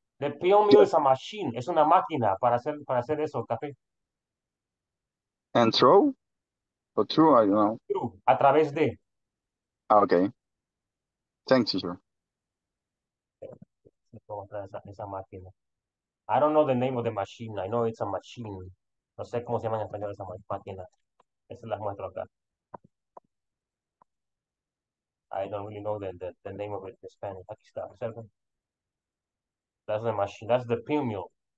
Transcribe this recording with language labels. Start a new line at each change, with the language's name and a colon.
English: The pill mill is a machine.
Spanish: Es una máquina para hacer eso, café.
English: And throw? Or through, I don't know.
Spanish: Through, a través de.
English: Ah, okay. Thanks, teacher. I don't know the name of the machine. I know it's a machine.
Spanish: No sé cómo se llama en español esa máquina. Esa la muestro acá.
English: I don't really know the name of it in Spanish.
Spanish: Aquí está.
English: That's the machine. That's the pill mill.